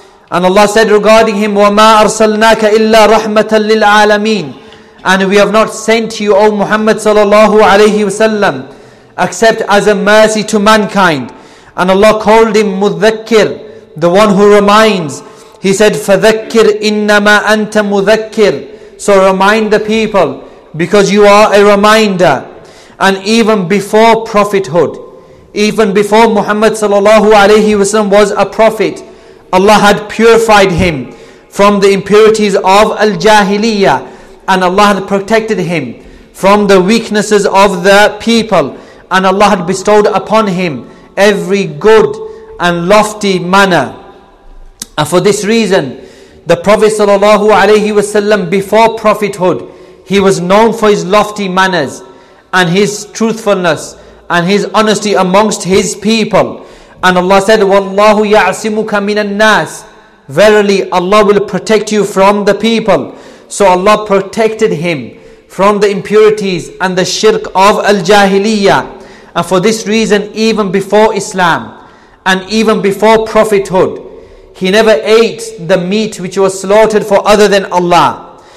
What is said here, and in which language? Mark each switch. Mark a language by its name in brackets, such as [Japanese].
[English] And Allah said regarding him, [Arabic] وَمَا أَرْسَلْنَاكَ إِلَّا رَحْمَةً لِلْعَالَمِينَ. [English] And we have not sent you, O Muhammad sallallahu alayhi wa sallam, except as a mercy to mankind. And Allah called him مُذَكِّر, the one who reminds. He said, [Arabic] فَذَكِّر إِنَّمَا أَنْتَ مُذَكِّر. [English] So remind the people, because you are a reminder. And even before prophethood, even before Muhammad sallallahu alayhi wasallam was a prophet, Allah had purified him from the impurities of al-jahiliyyah, and Allah had protected him from the weaknesses of the people, and Allah had bestowed upon him every good and lofty manner. And for this reason, the Prophet sallallahu alayhi wa sallam, before prophethood, he was known for his lofty manners and his truthfulness and his honesty amongst his people. And Allah said, [Arabic] وَاللَّهُ يَعْصِمُكَ مِنَ النَّاسِ. [English] Verily, Allah will protect you from the people. So Allah protected him from the impurities and the shirk of al-jahiliyyah. And for this reason, even before Islam and even before prophethood, he never ate the meat which was slaughtered for other than Allah.